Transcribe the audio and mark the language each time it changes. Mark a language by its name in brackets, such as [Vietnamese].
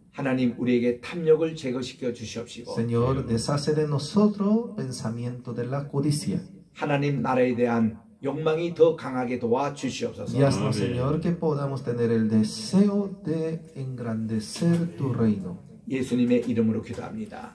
[Korean] 하나님, 우리에게 탐욕을 제거시켜 주시옵시고. [Spanish] Señor, deshace de nosotros pensamiento de la codicia. [Korean] 하나님, 나라에 대한 욕망이 더 강하게 도와주시옵소서. [Spanish] Y haznos, Señor, que podamos tener el deseo de engrandecer tu reino. [Korean] 예수님의 이름으로 기도합니다.